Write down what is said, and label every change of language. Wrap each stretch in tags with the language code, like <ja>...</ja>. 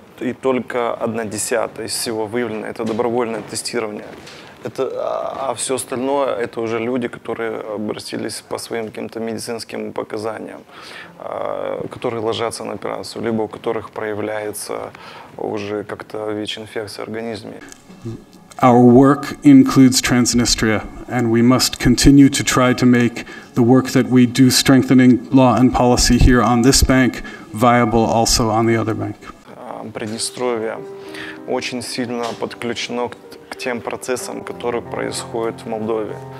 <ru>И только 1/10 из всего выявлено – это добровольное тестирование. А все остальное – это уже люди, которые обратились по своим каким-то медицинским показаниям, которые ложатся на операцию, либо у которых проявляется уже как-то ВИЧ-инфекция в организме.</ru> <en>Our work includes Transnistria, and we must continue to try to make the work that we do strengthening law and policy here on this bank viable also on the other bank.</en> <ru>Приднестровье очень сильно подключено к тем процессам, которые происходят в Молдове.</ru>